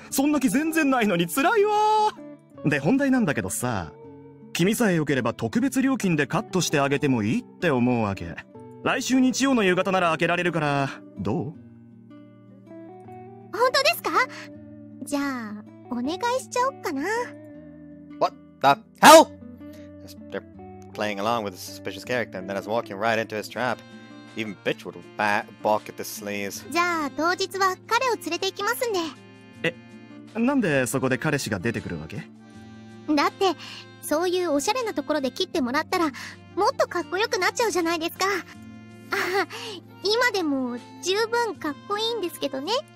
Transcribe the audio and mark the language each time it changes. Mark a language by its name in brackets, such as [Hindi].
[Japanese] そんな気全然ないのにつらいわ。で、本題なんだけどさ、君さえよければ特別料金でカットしてあげてもいいって思うわけ。来週日曜の夕方なら開けられるから、どう？本当ですか？じゃあお願いしちゃおっかな。 [English] What the hell? They're playing along with a suspicious character and then is walking right into his trap. Even bitch would bark at the sleaze. [Japanese] じゃあ当日は彼を連れて行きますんで。え、なんでそこで彼氏が出てくるわけ？だってそういうおしゃれなところで切ってもらったらもっとかっこよくなっちゃうじゃないですか。あ、今でも十分かっこいいんですけどね。